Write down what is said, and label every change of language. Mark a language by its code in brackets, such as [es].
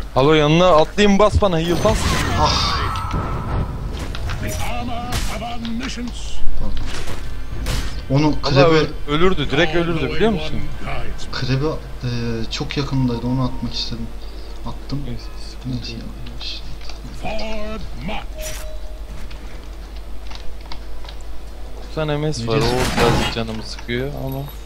[tr] Alo, yanına atlayayım, bas bana, heal bas. Ah. [en] The armor of omniscience. [tr] Onu krebe ölürdü, direkt ölürdü, biliyor musun? Krebe çok yakındaydı, onu atmak istedim. Attım. Neyse ya. [en] Forward march. [tr] Sen MS var, o birazcık canımı sıkıyor ama.